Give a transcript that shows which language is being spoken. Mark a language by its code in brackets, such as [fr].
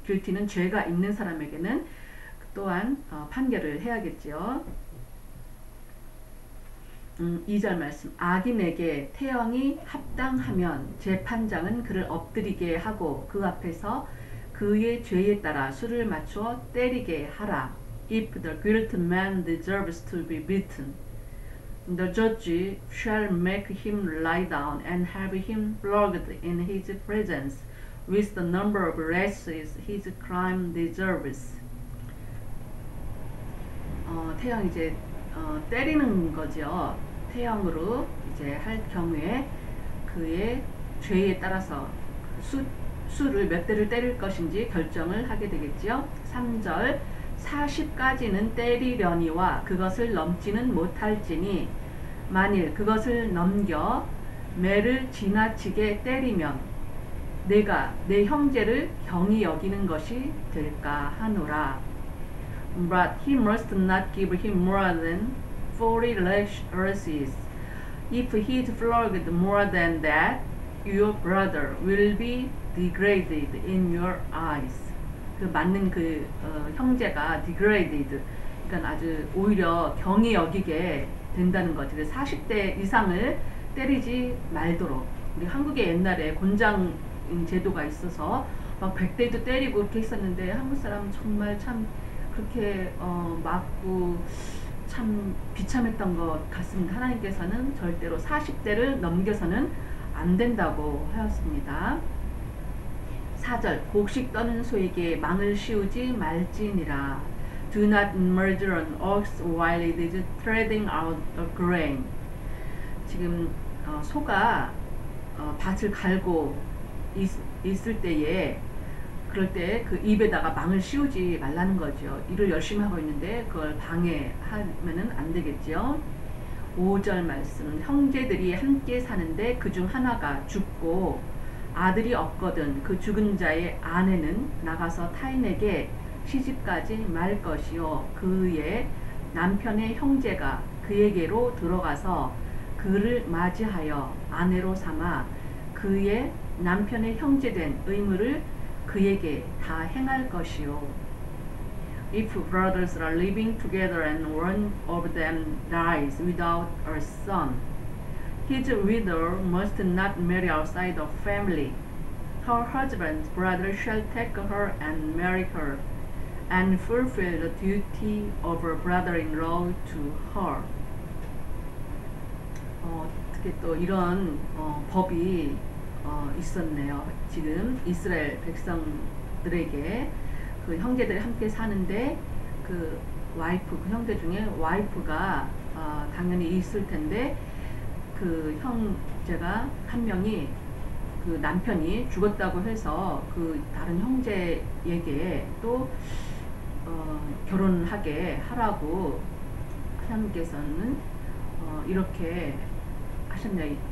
[ko] guilty는 죄가 있는 사람에게는 또한 판결을 해야겠지요. 2절 말씀 악인에게 태형이 합당하면 재판장은 그를 엎드리게 하고 그 앞에서 그의 죄에 따라 수를 맞추어 때리게 하라. [en] If the guilty man deserves to be beaten, the judge shall make him lie down and have him flogged in his presence with the number of lashes his crime deserves. [ko] 태형 이제 때리는 거죠. 태형으로 이제 할 경우에 그의 죄에 따라서 수를 몇 대를 때릴 것인지 결정을 하게 되겠지요. 3절 40까지는 때리려니와 그것을 넘지는 못할지니 만일 그것을 넘겨 매를 지나치게 때리면 내가 내 형제를 경히 여기는 것이 될까 하노라. [en] But he must not give him more than 40 lashes. If he is flogged more than that, your brother will be degraded in your eyes. [ko] 그 맞는 그 형제가 degraded. 그러니까 아주 오히려 경히 여기게 된다는 거죠. 40대 이상을 때리지 말도록. 우리 한국의 옛날에 곤장 제도가 있어서 막 100대도 때리고 이렇게 했었는데 한국 사람 정말 참 그렇게 맞고 참 비참했던 것 같습니다. 하나님께서는 절대로 40대를 넘겨서는 안 된다고 하였습니다. 4절 곡식 떠는 소에게 망을 씌우지 말지니라. [en] Do not murder an ox while it is treading out the grain. [ko] 지금 소가 밭을 갈고 있을 때에 그럴 때 그 입에다가 망을 씌우지 말라는 거죠. 일을 열심히 하고 있는데 그걸 방해하면은 안 되겠죠. 5절 말씀 형제들이 함께 사는데 그중 하나가 죽고 아들이 없거든 그 죽은 자의 아내는 나가서 타인에게 시집가지 말 것이요 그의 남편의 형제가 그에게로 들어가서 그를 맞이하여 아내로 삼아 그의 남편의 형제 된 의무를 그에게 다 행할 것이요. [en] If brothers are living together and one of them dies without a son, his widow must not marry outside the family. Her husband's brother shall take her and marry her. and fulfill the duty of a brother-in-law to her. [ko] 어떻게 또 이런 법이 있었네요. 지금 이스라엘 백성들에게 그 형제들이 함께 사는데 그 와이프, 그 형제 중에 와이프가 당연히 있을 텐데 그 형제가 한 명이 그 남편이 죽었다고 해서 그 다른 형제에게 또 결혼하게 하라고 하나님께서는 이렇게 하셨네요.